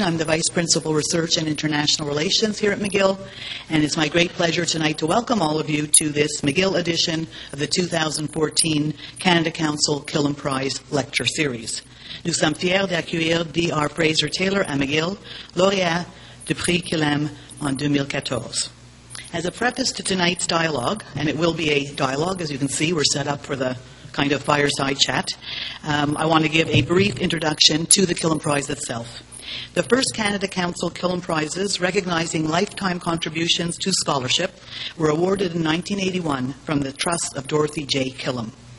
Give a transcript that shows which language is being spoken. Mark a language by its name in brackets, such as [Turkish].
[English] I'm the Vice Principal Research and International Relations here at McGill, and it's my great pleasure tonight to welcome all of you to this McGill edition of the 2014 Canada Council Killam Prize Lecture Series. [French] Nous sommes fiers d'accueillir D.R. Fraser-Taylor à McGill, lauréat du Prix Killam en 2014. [English] As a preface to tonight's dialogue, and it will be a dialogue, as you can see, we're set up for the kind of fireside chat, I want to give a brief introduction to the Killam Prize itself. The first Canada Council Killam Prizes, recognizing lifetime contributions to scholarship, were awarded in 1981 from the Trust of Dorothy J. Killam.